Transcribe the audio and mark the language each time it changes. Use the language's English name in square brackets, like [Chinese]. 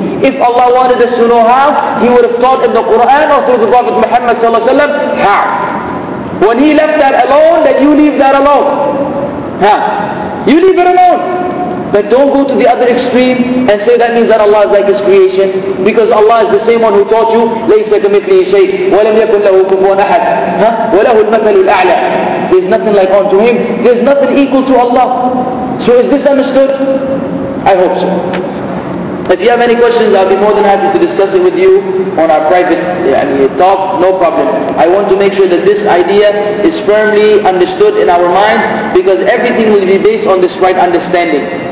[English] If Allah wanted us to know how, He would have taught in the Quran or through the Prophet Muhammad ﷺ, how? When He left that alone, that you leave that alone. How? You leave it alone. But don't go to the other extreme and say that means that Allah is like His creation. Because Allah is the same one who taught you, [Arabic] "لَيْسَ كَمِثْلِهِ شَيْءٍ وَلَمْ يَكُنْ لَهُ كُفُوًا أَحَدٍ وَلَهُ الْمَثَلُ الْأَعْلَىٰ." [English] There's nothing like unto Him. There's nothing equal to Allah. So is this understood? I hope so. If you have any questions, I'll be more than happy to discuss it with you on our private talk, no problem. I want to make sure that this idea is firmly understood in our minds because everything will be based on this right understanding.